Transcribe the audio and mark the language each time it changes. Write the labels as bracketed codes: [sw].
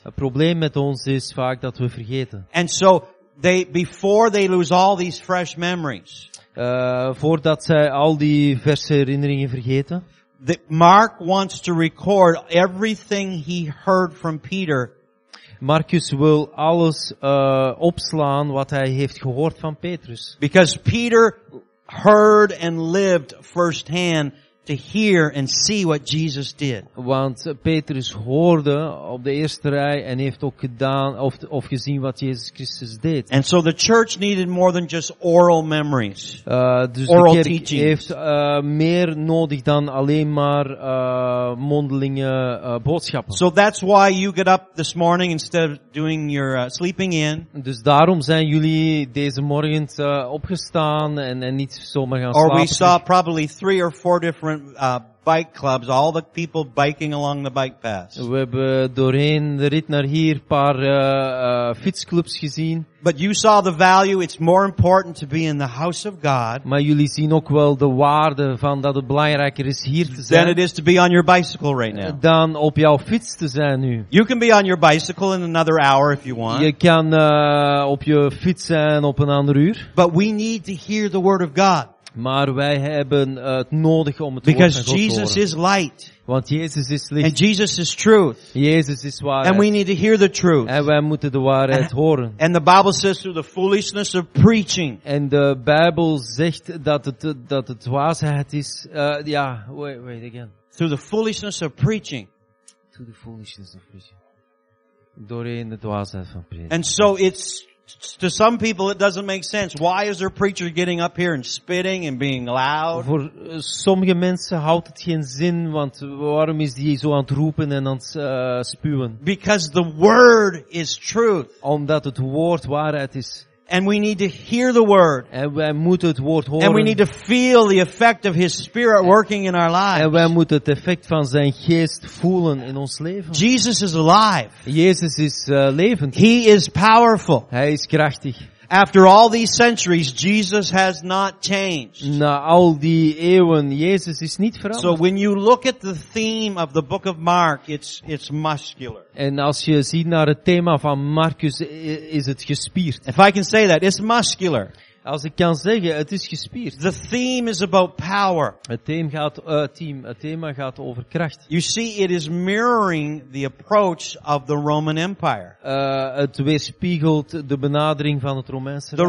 [nl] Het probleem met ons is vaak dat we vergeten. [en] And so they before they lose all these fresh memories. [nl] Voordat zij al die verse herinneringen vergeten. [en] Mark wants to record everything he heard from Peter. [nl] Marcus wil alles opslaan wat hij heeft gehoord van Petrus. [en] Because Peter heard and lived firsthand to hear and see what Jesus did. [nl] Want Petrus hoorde op de eerste rij en heeft ook gedaan of gezien wat Jezus Christus deed. [en] And so the church needed more than just oral memories. [nl] Dus [en] oral [nl] de kerk [en] teachings. [nl] Heeft meer nodig dan alleen maar mondelinge boodschappen. [en] So that's why you get up this morning instead of doing your sleeping in. [nl] Dus daarom zijn jullie deze morgen opgestaan en niet zomaar gaan slapen. [en] Or we saw probably 3 or 4 different bike clubs, all the people biking along the bike paths. [nl] We hebben doorheen de rit naar hier paar fietsclubs gezien. [en] But you saw the value. It's more important to be in the house of God. [nl] Maar jullie zien ook wel de waarde van dat het belangrijker is hier te zijn. [en] Than it is to be on your bicycle right now. [nl] Dan op jouw fiets te zijn nu. [en] You can be on your bicycle in another hour if you want. [nl] Je kan op je fiets zijn op een ander uur. [en] But we need to hear the word of God. [nl] Maar wij hebben het nodig om het [en] Because [nl] woord van God [en] Jesus [nl] te horen. [en] Is light. [nl] Want Jezus is licht. [en] And Jesus is truth. [nl] Jezus is waarheid. [en] And we need to hear the truth. [nl] En wij moeten de waarheid horen. [en] And the Bible says through the foolishness of preaching. [nl] En de Bijbel zegt dat het dwaasheid is. [en] Wait again. Through the foolishness of preaching. Through the foolishness of preaching. [nl] Doorheen de dwaasheid van preaching. [en] And so it's. To some people it doesn't make sense. Why is their preacher getting up here and spitting and being loud? [nl] Voor sommige mensen houdt het geen zin, want waarom is die zo aan het roepen en aan het spuwen? [en] Because the word is truth. [nl] Omdat het woord waarheid is. [en] And we need to hear the word. [nl] En wij moeten het woord horen. [en] And we need to feel the effect of his spirit working in our lives. [nl] En wij moeten het effect van zijn geest voelen in ons leven. [en] Jesus is alive. [nl] Jezus is levend. [en] He is powerful. [nl] Hij is krachtig. [en] After all these centuries, Jesus has not changed. [nl] Na al die eeuwen, Jezus is niet veranderd. [en] So when you look at the theme of the book of Mark, it's muscular. [nl] En als je ziet naar het thema van Marcus, is het gespierd. [en] If I can say that, it's muscular. [nl] Als ik kan zeggen, het is gespierd. [en] The theme is about power. [nl] Het thema gaat over kracht. [en] You see, it is mirroring the approach of the Roman Empire. [nl] Het weerspiegelt de benadering van het Romeinse Rijk.